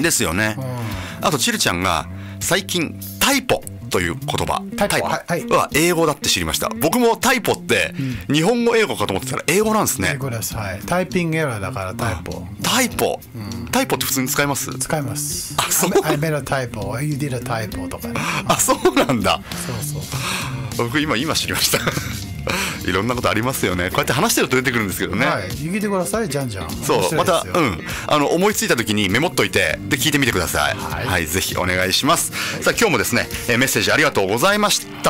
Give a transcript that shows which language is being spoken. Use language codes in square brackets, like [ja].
[ja] ですよね、うん、あとチルちゃんが最近タイポという言葉、タイポ、はい、は英語だって知りました、僕もタイポって日本語英語かと思ってたら英語なんですね、英語です、はい、タイピングエラーだからタイポ、タイポ、うん、タイポって普通に使います、使います、あそう、 [en] I made a typo, you did a typo [ja] とか、ね、あそうなんだ、そうそう、僕今知りましたいろんなことありますよね、こうやって話してると出てくるんですけどね、はい、聞いてくださいじゃんじゃん、そう、また、うん、あの思いついた時にメモっといてで聞いてみてください、はい、はい、ぜひお願いします、はい、さあ今日もですね、メッセージありがとうございました、